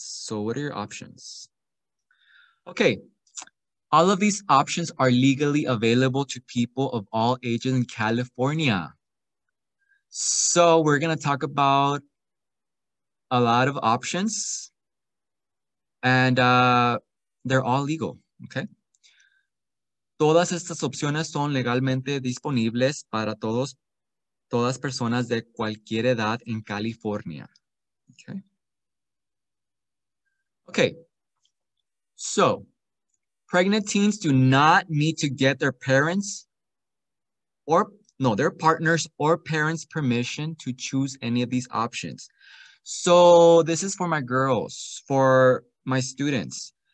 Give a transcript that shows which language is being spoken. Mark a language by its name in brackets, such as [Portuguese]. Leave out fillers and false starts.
[English] So what are your options? Okay. All of these options are legally available to people of all ages in California. So we're going to talk about a lot of options. And they're all legal, okay? [Spanish] Todas estas opciones son legalmente disponibles para todos, todas personas de cualquier edad en California. [English] Okay. Okay. So, pregnant teens do not need to get their parents or, no, their partners or parents' permission to choose any of these options. So, this is for my girls, for my students.